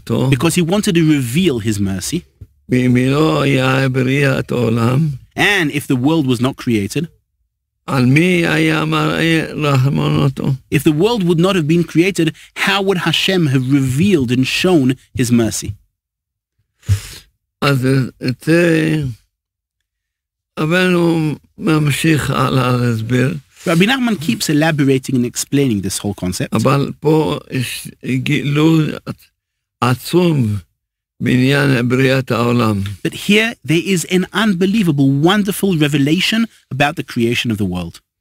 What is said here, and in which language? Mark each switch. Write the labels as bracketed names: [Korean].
[English] Because he wanted to reveal his mercy. And if the world was not created, if the world would not have been created, how would Hashem have revealed and shown his mercy? [Hebrew] אז זה, אבל הוא ממשיך על ההסבר. [English] רבי נחמן keeps elaborating and explaining this whole concept. [Hebrew] אבל פה יש גילוי עצום בעניין בריאת העולם. [English] But here there is an unbelievable, wonderful revelation about the creation of the world.